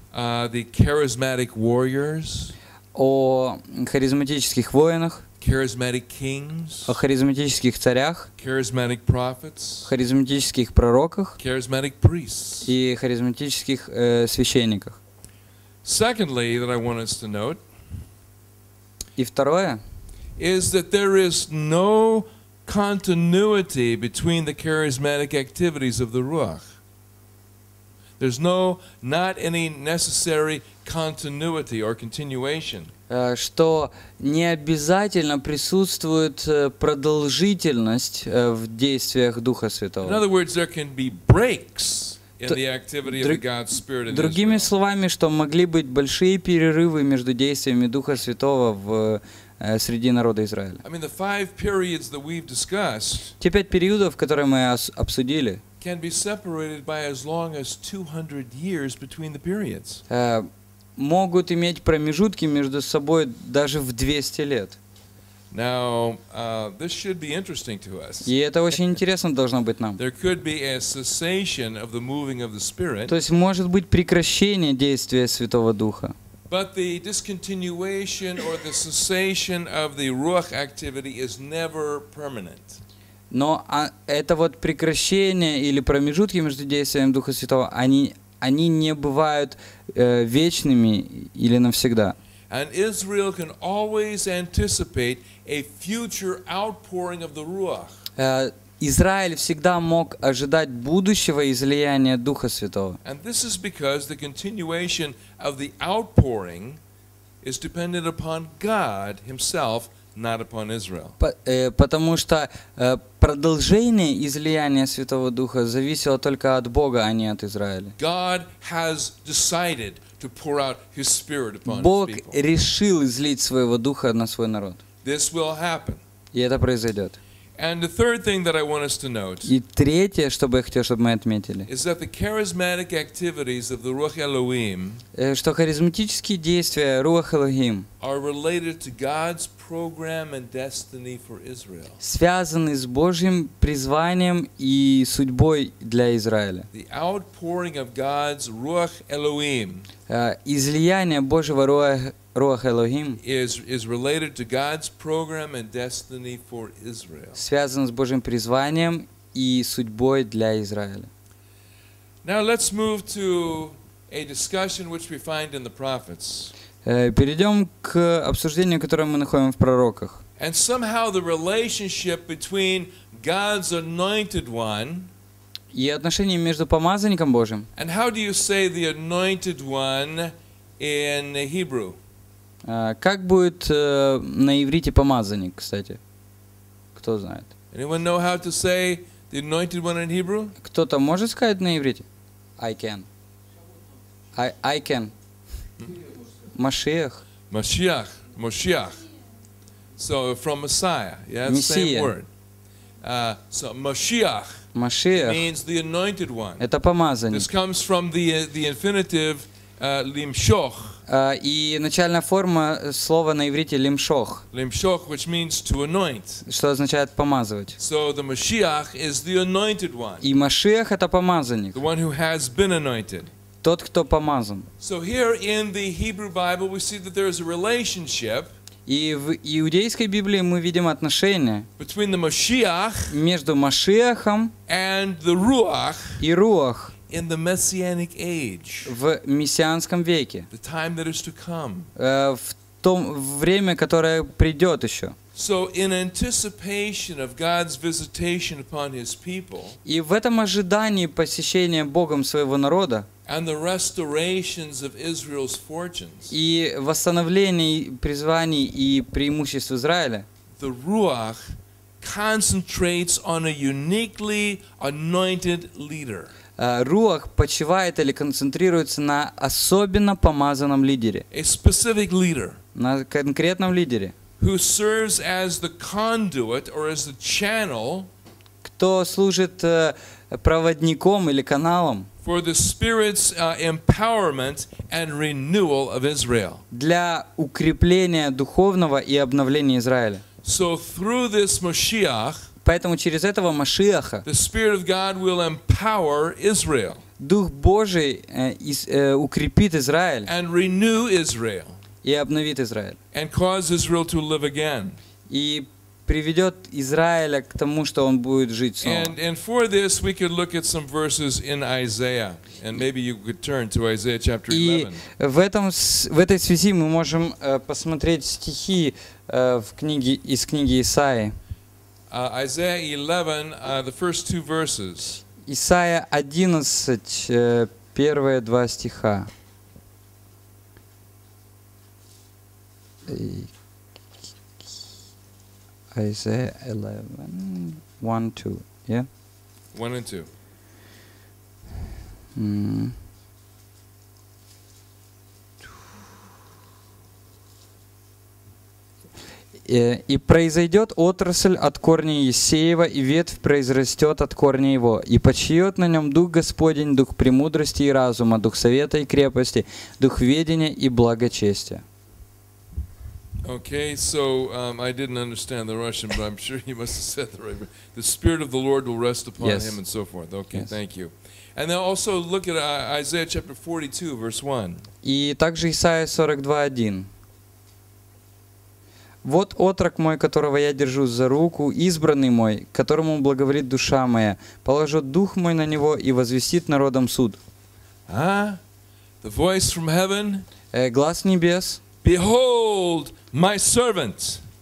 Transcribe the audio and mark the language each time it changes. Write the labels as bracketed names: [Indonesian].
[English] the charismatic warriors, [Russian] о харизматических воинах, [English] charismatic kings, [Russian] о харизматических царях, [English] charismatic prophets, [Russian] харизматических пророках, [English] charismatic priests, [Russian] и харизматических священниках. [English] Secondly, that I want us to note, [Russian] и второе, [English] is that there is no continuity between the charismatic activities of the Ruach. There's no, not any necessary continuity or continuation. [Russian] Что не обязательно присутствует продолжительность в действиях Духа Святого. [English] In other words, there can be breaks in the activity of God's Spirit. [Russian] Другими словами, что могли быть большие перерывы между действиями Духа Святого в среди народа Израиля. [English] I mean, the five periods that we've discussed. [Russian] Те пять периодов, которые мы обсудили. [English] Can be separated by as long as 200 years between the periods. [Russian] Могут иметь промежутки между собой даже в 200 лет. [English] Now, this should be interesting to us. [Russian] И это очень интересно должно быть нам. [English] There could be a cessation of the moving of the Spirit. [Russian] То есть может быть прекращение действия Святого Духа. [English] But the discontinuation or the cessation of the Ruach activity is never permanent. [Russian] Но это вот прекращение или промежутки между действием Духа Святого, они не бывают вечными или навсегда. [English] And Israel can always anticipate a future outpouring of the Ruach. [Russian] Израиль всегда мог ожидать будущего излияния Духа Святого. [English] And this is because the continuation of the outpouring is dependent upon God Himself, not upon Israel. [Russian] Потому что продолжение излияния Святого Духа зависело только от Бога, а не от Израиля. [English] God has decided to pour out His Spirit upon His people. [Russian] Бог решил излить своего Духа на свой народ. [English] This will happen. [Russian] И это произойдет. [English] And the third thing that I want us to note. [Russian] И третье, что бы я хотел, чтобы мы отметили. [English] Is that the charismatic activities of the Ruach Elohim? [Russian] Что харизматические действия Руах Элохим? [English] Are related to God's program and destiny for Israel. [Russian] Связаны с Божьим призванием и судьбой для Израиля. [English] The outpouring of God's Ruach Elohim. [Russian] Излияние Божьего Руах Элохим [English] is related to God's program and destiny for Israel. [Russian] Связан с Божьим призванием и судьбой для Израиля. [English] Now let's move to a discussion which we find in the prophets. [Russian] Перейдем к обсуждению, которое мы находим в пророках. [English] And somehow the relationship between God's anointed one. [Russian] И отношение между помазанником Божьим. [English] And how do you say the anointed one in Hebrew? [Russian] Как будет на иврите помазанник, кстати? Кто знает? [English] Anyone know how to say the anointed one in Hebrew? [Russian] Кто-то может сказать на иврите? [English] I can. I can. Машиах. Машиах. Машиах. So from Messiah, yeah, the same word. So Машиах. [Russian] Машиах. [English] Means the anointed one. [Russian] Это помазанник. [English] This comes from the infinitive limshoch. [Russian] И начальная форма слова на иврите лимшох. [English] Лимшох, which means to anoint. [Russian] Что означает помазывать. [English] So the Mashiach is the anointed one. [Russian] И Машиах это помазанник. [English] The one who has been anointed. [Russian] Тот, кто помазан. [English] So here in the Hebrew Bible we see that there is a relationship. [Russian] И в иудейской Библии мы видим отношение [English] between the Mashiach [Russian] между Машиахом [English] and the Ruach [Russian] и Руах [English] in the messianic age, [Russian] в мессианском веке, [English] the time that is to come, [Russian] в то время, которое придет еще. [English] So in anticipation of God's visitation upon His people, [Russian] и в этом ожидании посещения Богом своего народа, [English] and the restorations of Israel's fortunes, [Russian] и восстановление призваний и преимуществ Израиля, [English] the Ruach concentrates on a uniquely anointed leader. [Russian] Руах почивает или концентрируется на особенно помазанном лидере, [English] a specific leader, [Russian] на конкретном лидере, [English] who serves as the conduit or as the channel, [Russian] кто служит проводником или каналом [English] for the Spirit's empowerment and renewal of Israel, [Russian] для укрепления духовного и обновления Израиля. [English] So through this Mashiach, [Russian] поэтому через этого Машиаха, [English] the Spirit of God will empower Israel, [Russian] Дух Божий укрепит Израиль [English] and renew Israel, [Russian] и обновит Израиль. [English] And cause Israel to live again. [Russian] И приведет Израиля к тому, что он будет жить снова. [English] And for this we could look at some verses in Isaiah. And maybe you could turn to Isaiah chapter 11. [Russian] И в этой связи мы можем посмотреть стихи из книги Исаии. [English] Isaiah 11, the first two verses. [Russian] Исаия 11, первые два стиха. [English] Isaiah 11, 1, 2, yeah? 1 and 2. [Russian] «И произойдет отрасль от корня Иессеева, и ветвь произрастет от корня его, и почиет на нем Дух Господень, Дух премудрости и разума, Дух совета и крепости, Дух ведения и благочестия». [English] Okay, so I didn't understand the Russian, but I'm sure you must have said the right word. The Spirit of the Lord will rest upon yes. him and so forth. Okay, yes. Thank you. And then also look at Isaiah chapter 42, verse 1. [Russian] И также Исаия 42:1. Вот отрок мой, которого я держу за руку, избранный мой, которому благоволит душа моя, положу дух мой на него и возвестит народом суд. [English] The voice from heaven. [Russian] Глас небес. [English] Behold my servant.